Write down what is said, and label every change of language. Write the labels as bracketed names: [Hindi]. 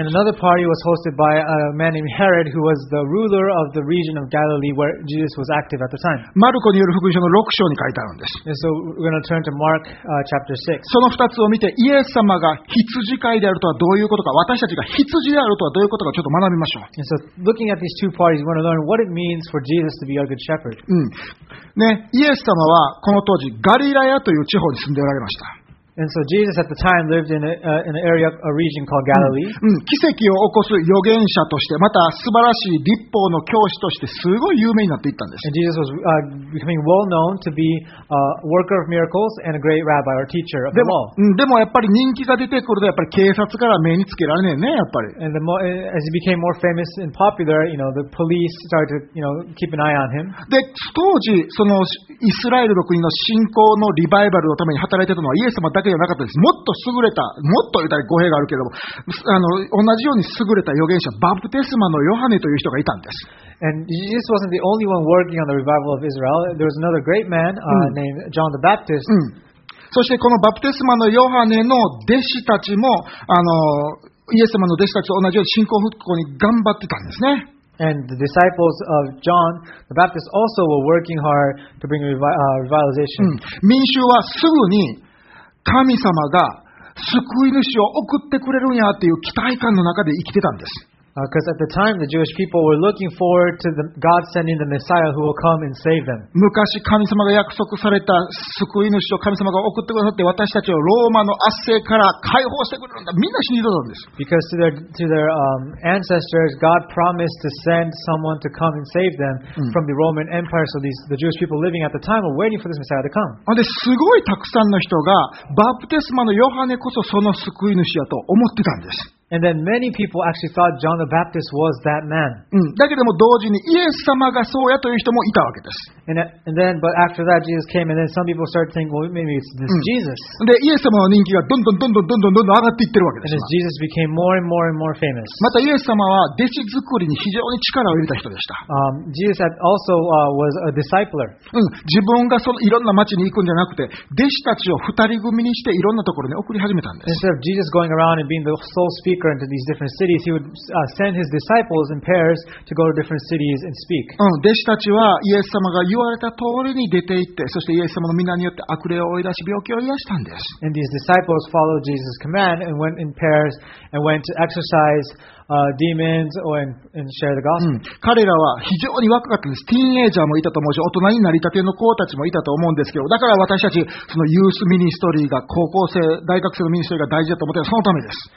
[English] And another party was hosted by a man named Herod, who was the ruler of the region of Galilee where Jesus was active at the time. [Japanese] マルコによる福音書の6章に書いてあるんです。 [English] And so we're going to turn to Mark chapter 6. [Japanese] その2つを見てイエス様が羊飼いであるとはどういうことか、私たちが羊であるとはどういうことか、ちょっと学びましょう。 [English] And so, looking at these two parties, we want to learn what it means for Jesus to be a good shepherd. [Japanese] ね、イエス様はこの当時ガリラヤという地方に住んでおられました。 [English] And so Jesus at the time lived in an area, a region called Galilee. [Japanese] 奇跡を起こす預言者として、また素晴らしい律法の教師としてすごい有名になっていったんです。 [English] And Jesus was becoming well known to be a worker of miracles and a great rabbi or teacher of the law. [Japanese] でもやっぱり人気が出てくるとやっぱり警察から目につけられねえね、やっぱり。 [English] And as he became more famous and popular, you know, the police started to, you know, keep an eye on him. [Japanese] で、当時そのイスラエルの国の信仰のリバイバルのために働いてたのはイエス様だけじゃなかったです。もっと優れた、もっと言ったら語弊があるけども、同じように優れた預言者、バプテスマのヨハネという人がいたんです。 [English] And Jesus wasn't the only one working on the revival of Israel. There was another great man, named John the Baptist. [Japanese] そしてこのバプテスマのヨハネの弟子たちも、イエス様の弟子たちと同じように信仰復興に頑張ってたんですね。 [English] And the disciples of John the Baptist also were working hard to bring revitalization. [Japanese] 民衆はすぐに神様が救い主を送ってくれるんやっていう期待感の中で生きてたんです。 [English] Because at the time the Jewish people were looking forward to the God sending the Messiah who will come and save them. [Japanese] 昔神様が約束された救い主を神様が送ってくださって私たちをローマの圧政から解放してくれるんだ。みんな信じてたんです。 [English] Because to their ancestors, God promised to send someone to come and save them from the Roman Empire. So the Jewish people living at the time were waiting for this Messiah to come. [Japanese] ですごいたくさんの人がバプテスマのヨハネこそその救い主やと思ってたんです。 [English] And then many people actually thought John the Baptist was that man. [Japanese] だけども同時にイエス様がそうやという人もいたわけです。 [English] And then, but after that, Jesus came, and then some people started thinking, well, maybe it's this Jesus. [Japanese] で、イエス様の人気がどんどんどんどんどんどんどん上がっていってるわけです。 [English] And as Jesus became more and more and more famous. [Japanese] またイエス様は弟子作りに非常に力を入れた人でした。 [English] Jesus also was a discipler. [Japanese] 自分がそのいろんな町に行くんじゃなくて、弟子たちを二人組にしていろんなところに送り始めたんです。 [English] Instead of Jesus going around and being the sole speaker,into these different cities, he would send his disciples in pairs to go to different cities and speak. [Japanese] 弟子たちはイエス様が言われた通りに出て行って、そしてイエス様の名によって悪霊を追い出し病気を癒したんです。 [English] And these disciples followed Jesus' command and went in pairs and went to exercise demons and share the gospel. [Japanese] 彼らは非常に若かったんです。ティーンエイジャーもいたと思うし、大人になりたての子たちもいたと思うんですけど、だから私たちそのユースミニストリーが高校生、大学生のミニストリーが大事だと思ってそのためです。